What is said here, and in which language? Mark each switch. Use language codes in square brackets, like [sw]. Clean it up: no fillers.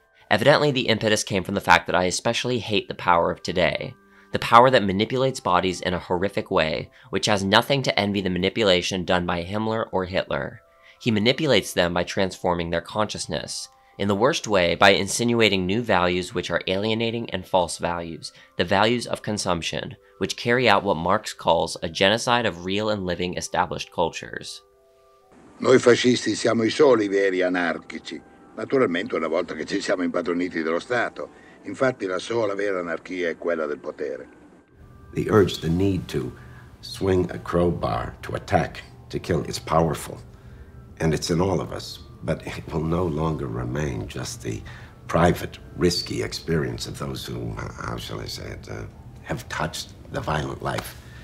[en] Evidently, the impetus came from the fact that I especially hate the power of today, the power that manipulates bodies in a horrific way, which has nothing to envy the manipulation done by Himmler or Hitler. He manipulates them by transforming their consciousness, in the worst way, by insinuating new values which are alienating and false values, the values of consumption, which carry out what Marx calls a genocide of real and living established cultures. [it] Noi fascisti siamo i soli veri anarchici, naturalmente una volta che ci siamo impadroniti dello Stato. Infatti la sola vera anarchia è quella del potere. [en] The urge, the need to swing a crowbar, to attack, to kill, is powerful. And it's in all of us, but it will no longer remain just the private, risky experience of those who, how shall I say it, have touched the violent life.